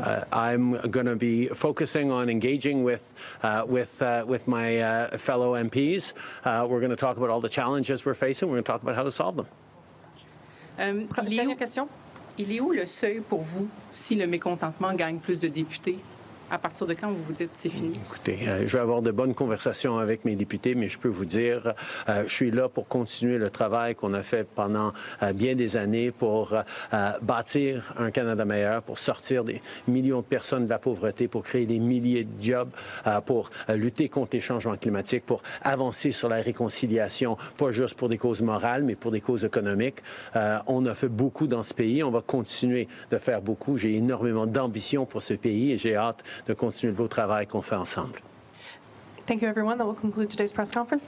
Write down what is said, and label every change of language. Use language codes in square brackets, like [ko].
[en] I'm going to be focusing on engaging with my fellow MPs. We're going to talk about all the challenges we're facing. We're going to talk about how to solve them. [fr] Dernière question. Il est où le seuil pour vous si le mécontentement gagne plus de députés? À partir de quand vous vous dites c'est fini? Écoutez, je vais avoir de bonnes conversations avec mes députés, mais je peux vous dire, je suis là pour continuer le travail qu'on a fait pendant bien des années pour bâtir un Canada meilleur, pour sortir des millions de personnes de la pauvreté, pour créer des milliers de jobs, pour lutter contre les changements climatiques, pour avancer sur la réconciliation, pas juste pour des causes morales, mais pour des causes économiques. On a fait beaucoup dans ce pays, on va continuer de faire beaucoup. J'ai énormément d'ambition pour ce pays et j'ai hâte de continuer le beau travail qu'on fait ensemble. [en] Thank you, everyone. That will conclude today's press conference.